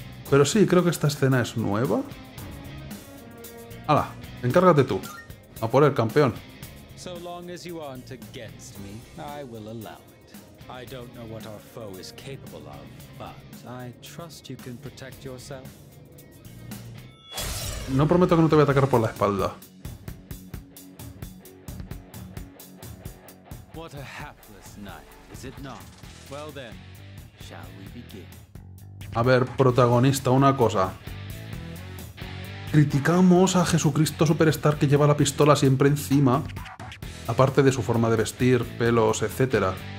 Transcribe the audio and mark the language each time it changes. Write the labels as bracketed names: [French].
[Spanish] Pero sí, creo que esta escena es nueva. ¡Hala! Encárgate tú. A por el campeón. [English] So long as you aren't against me, I will allow it. I don't know what our foe is capable of, but I trust you can protect yourself. [Spanish] No prometo que no te voy a atacar por la espalda. [English] What a hapless night, is it not? Well then, shall we begin? [Spanish] A ver, protagonista, una cosa. Criticamos a Jesucristo Superstar que lleva la pistola siempre encima, aparte de su forma de vestir, pelos, etc.